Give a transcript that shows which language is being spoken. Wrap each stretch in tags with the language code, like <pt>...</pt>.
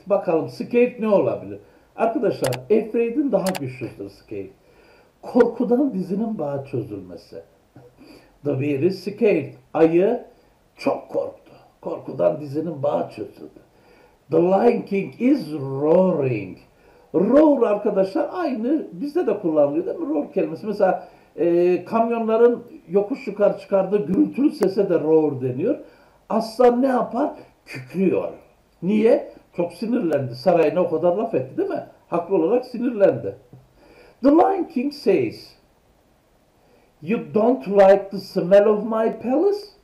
<tr>Bakalım scared ne olabilir? Arkadaşlar, afraid'in daha güçlüdür scared. Korkudan dizinin bağı çözülmesi.</tr> <en>The bear is scared.</en> <tr>Ayı çok korktu. Korkudan dizinin bağı çözüldü.</tr> <en>The Lion King is roaring.</en> <tr>Roar arkadaşlar aynı bizde de kullanılıyor değil mi? Roar kelimesi. Mesela kamyonların yokuş yukarı çıkardığı gürültülü sese de roar deniyor. Aslan ne yapar? Kükrüyor. Niye? Çok sinirlendi. Sarayına o kadar laf etti değil mi? Haklı olarak sinirlendi.</tr> <en>The Lion King says, "You don't like the smell of my palace?"</en>